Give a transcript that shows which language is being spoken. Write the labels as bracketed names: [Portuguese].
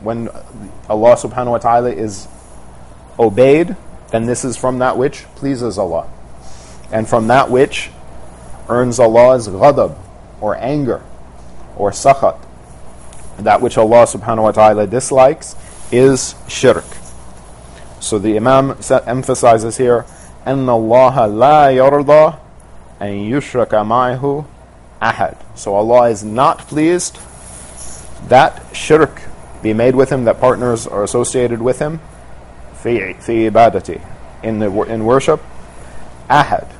[English] When Allah subhanahu wa ta'ala is obeyed, then this is from that which pleases Allah. And from that which earns Allah's ghadab, or anger, or sakhat, that which Allah subhanahu wa ta'ala dislikes, is shirk. So the Imam emphasizes here, [Arabic] أَنَّ اللَّهَ لَا يَرْضَى أَن يُشْرَكَ مَعْهُ أَحَدٍ. [English] So Allah is not pleased that shirk be made with Him, that partners are associated with Him, fi ibadati, in worship, ahad.